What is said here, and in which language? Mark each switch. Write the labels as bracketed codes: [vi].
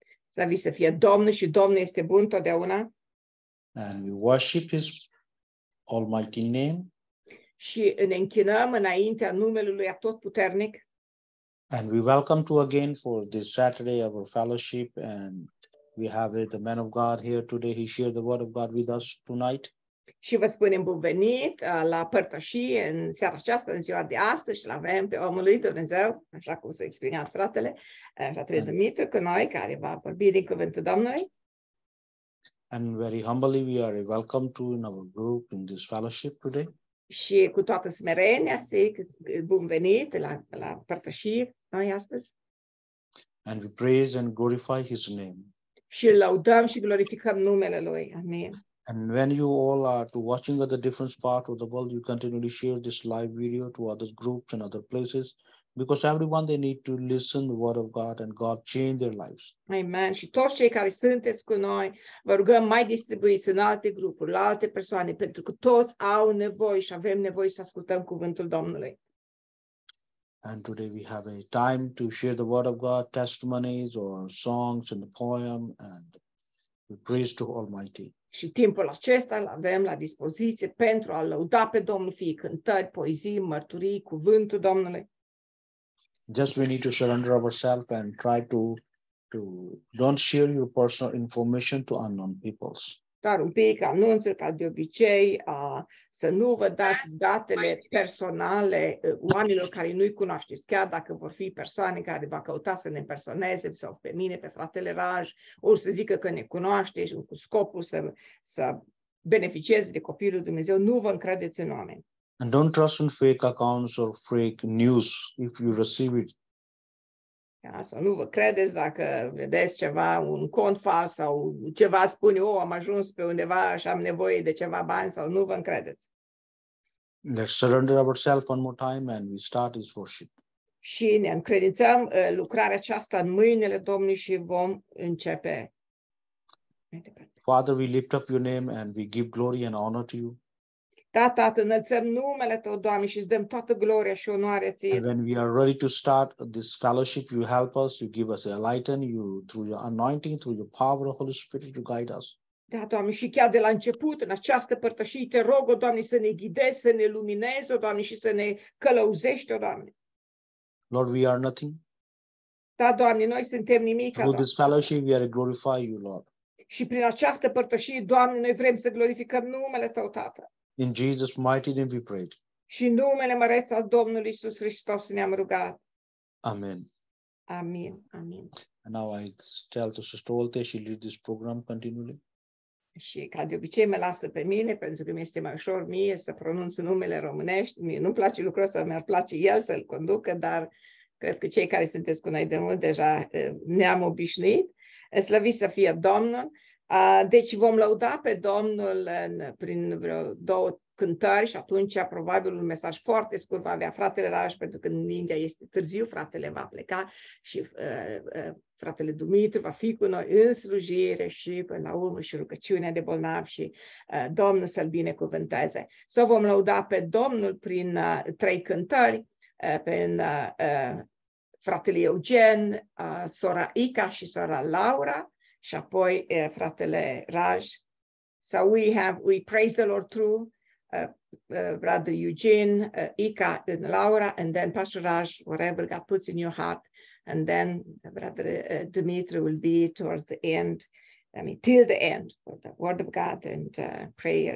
[ro] Slavi să fie Domnul și Domnul este bun totdeauna. [en] And we worship His almighty name. [ro] Și ne închinăm înaintea numelui Lui Atotputernic. [en] And we welcome to again for this Saturday our fellowship, and we have the man of God here today. He shared the word of God with us tonight. [ro] Și vă spunem bun venit la părtășie în seara aceasta, în ziua de astăzi, și l-avem pe omul lui Dumnezeu, așa cum s-a exprimat fratele Dumitru cu noi, care va vorbi din cuvântul Domnului. [en] And very humbly we are welcome to in our group in this fellowship today. [ro] Și cu toată smerenia, zic, bun venit la părtășie noi astăzi. [en] And we praise and glorify His name. [ro] Și laudăm și glorificăm numele Lui. Amin. [en] And when you all are to watching at the different part of the world, you continually share this live video to other groups and other places, because everyone, they need to listen the word of God and God change their lives. Amen. [ro] Și toți cei care sunteți cu noi, vă rugăm mai distribuiți în alte grupuri, la alte persoane, pentru că toți au nevoie și avem nevoie să ascultăm cuvântul Domnului. [en] And today we have a time to share the word of God, testimonies or songs and the poem, and we praise to Almighty. [ro] Și timpul acesta îl avem la dispoziție pentru a lăuda pe Domnul, fie cântări, poezii, mărturii, cuvântul Domnului. [en] Just we need to surrender ourselves and try to don't share your personal information to unknown peoples. [ro] Dar un pic anunțuri, ca de obicei, să nu vă dați datele personale oamenilor care nu-i cunoașteți, chiar dacă vor fi persoane care va căuta să ne impersoneze sau pe mine, pe fratele Raj, ori să zică că ne cunoaște și cu scopul să beneficieze de copilul Dumnezeu, nu vă încredeți în oameni. [en] And don't trust in fake accounts or fake news if you receive it. [ro] Să nu vă credeți dacă vedeți ceva, un cont fals sau ceva spune, oh, am ajuns pe undeva și am nevoie de ceva bani, sau nu vă încredeți. [en] Let's surrender ourselves one more time and we start this worship. [ro] Și ne încredințăm lucrarea aceasta în mâinile Domnului și vom începe. [en] Father, we lift up your name and we give glory and honor to you. [ro] Tată, înălțăm numele Tău, Doamne, și îți dăm toată gloria și onoarea Ție. [en] And when we are ready to start this fellowship, you help us, you give us, enlighten you through your anointing, through your power of Holy Spirit to guide us. [ro] Da, Doamne, și chiar de la început, în această părtășie, Te rog, o, Doamne, să ne ghidezi, să ne luminezi, o, Doamne, și să ne călăuzești, o, Doamne. [en] Lord, we are nothing. [ro] Da, Doamne, noi suntem nimic. [en] Through this fellowship, we are to glorify You, Lord. [ro] Și prin această părtășie, Doamne, noi vrem să glorificăm numele Tău, Tată. [en] In Jesus' mighty name we prayed. [ro] Și numele măreț al Domnului Iisus Hristos ne-am rugat. [en] Amen. [ro] Amin. Amin. [en] And now I tell to Sister Olte, she leads this program continually. [ro] Și ca de obicei mă lasă pe mine, pentru că mi-este mai ușor mie să pronunț numele românești. Mie nu-mi place lucrul ăsta, mi-ar place el să-l conducă, dar cred că cei care sunteți cu noi de mult deja ne-am obișnuit. Slăviți să fie Domnul! Deci vom lăuda pe Domnul prin vreo două cântări și atunci probabil un mesaj foarte scurt va avea fratele Raj, pentru că în India este târziu, fratele va pleca și fratele Dumitru va fi cu noi în slujire și până la urmă și rugăciunea de bolnav și Domnul să-l binecuvânteze. Să vom lăuda pe Domnul prin trei cântări. prin fratele Eugen, sora Ica și sora Laura, și apoi fratele Raj. [en] So we praise the Lord through brother Eugene, Ica and Laura, and then Pastor Raj, whatever God puts in your heart, and then brother Dimitri will be towards the end, I mean till the end, for the word of God and prayer.